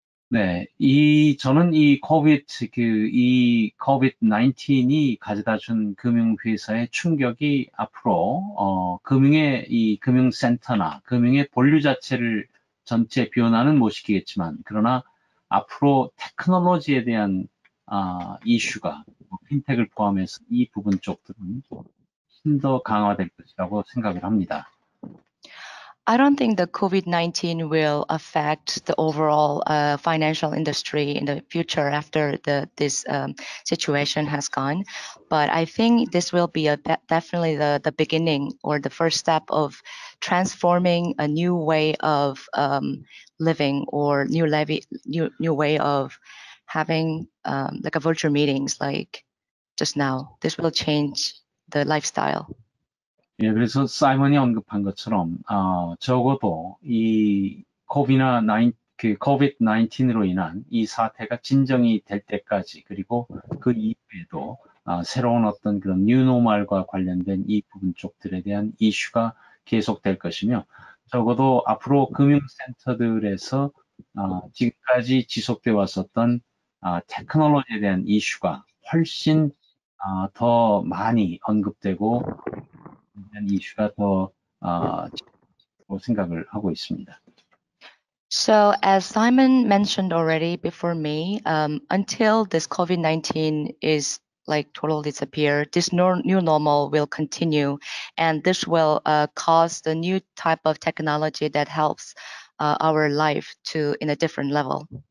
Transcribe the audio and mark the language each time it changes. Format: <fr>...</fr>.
<ko>네, 이 저는 이 COVID 그 이 COVID-19이 가져다준 금융 회사의 충격이 앞으로 금융의 이 금융 센터나 금융의 본류 자체를 전체 변화는 못 시키겠지만 그러나 앞으로 테크놀로지에 대한 이슈가 핀텍을 포함해서 이 부분 쪽들은 훨씬 더 강화될 것이라고 생각을 합니다.</ko> <en>I don't think the COVID-19 will affect the overall financial industry in the future after this situation has gone. But I think this will be definitely the beginning or the first step of transforming a new way of living or new way of having like a virtual meetings like just now. This will change the lifestyle.</en> <ko>예, 그래서 사이먼이 언급한 것처럼 적어도 이 코비나 그 COVID-19으로 인한 이 사태가 진정이 될 때까지 그리고 그 이후에도 새로운 어떤 그런 뉴노멀과 관련된 이 부분 쪽들에 대한 이슈가 계속될 것이며 적어도 앞으로 금융센터들에서 지금까지 지속돼 왔었던 테크놀로지에 대한 이슈가 훨씬 더 많이 언급되고 이슈가 더 좋다고 생각을 하고 있습니다.</ko> <en>So as Simon mentioned already before me, until this COVID-19 is like totally disappear, this new normal will continue, and this will cause the new type of technology that helps our life to in a different level.</en>